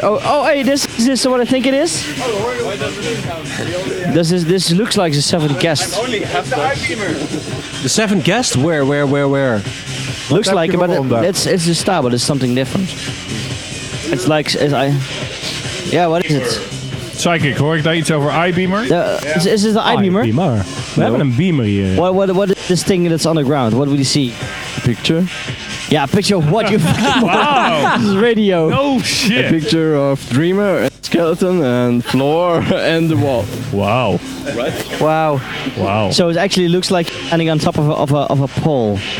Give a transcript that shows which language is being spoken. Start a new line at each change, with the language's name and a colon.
English: Oh, hey, this is what I think it is. This looks like the seventh guest. The seventh guest? Where? Looks like it, but it's a star, but it's something different. It's like, yeah, what is it?
Dutch: Psychic, hoor ik daar iets over iBeamer?
English: Is this an iBeamer? iBeamer.
Dutch: We hebben een beamer hier.
English: What is this thing that's on the ground? What do you see? A picture? Yeah, a picture of what you fucking wow. This is radio. No shit. A picture of Dreamer, skeleton, and floor, and the wall. Wow. Right? Wow. Wow. So it actually looks like standing on top of a pole.